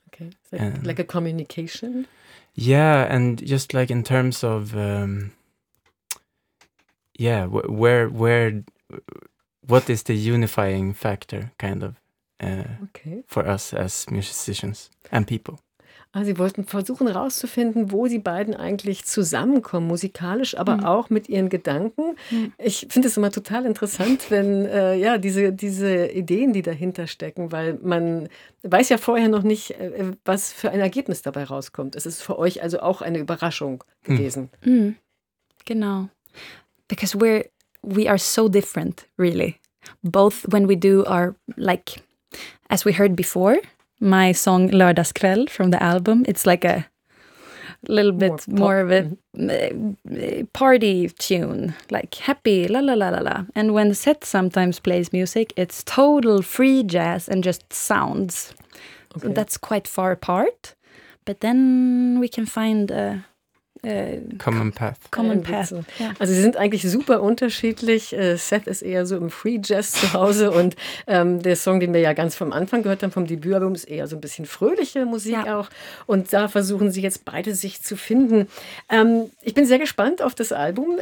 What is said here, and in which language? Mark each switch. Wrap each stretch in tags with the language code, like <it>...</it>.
<en>Okay, like a communication? Yeah, and just like in terms of, what is the unifying factor, kind of, for us as musicians and people.</en> <de>Also sie wollten versuchen herauszufinden, wo sie beiden eigentlich zusammenkommen, musikalisch, aber auch mit ihren Gedanken. Ich finde es immer total interessant, wenn diese Ideen, die dahinter stecken, weil man weiß ja vorher noch nicht, was für ein Ergebnis dabei rauskommt. Es ist für euch also auch eine Überraschung gewesen. Mm. Genau.</de> <en>Because we are so different, really. Both when we do our, like, as we heard before, my song Lördagskväll from the album, it's like a little bit more of a party tune, like happy, la la la la la. And when Seth sometimes plays music, it's total free jazz and just sounds. Okay. So that's quite far apart. But then we can find a common path.</en> <de>Ja. Also sie sind eigentlich super unterschiedlich. Seth ist eher so im Free Jazz zu Hause und der Song, den wir ja ganz vom Anfang gehört haben, vom Debütalbum, ist eher so ein bisschen fröhliche Musik auch. Und da versuchen sie jetzt beide sich zu finden. Ich bin sehr gespannt auf das Album.</de>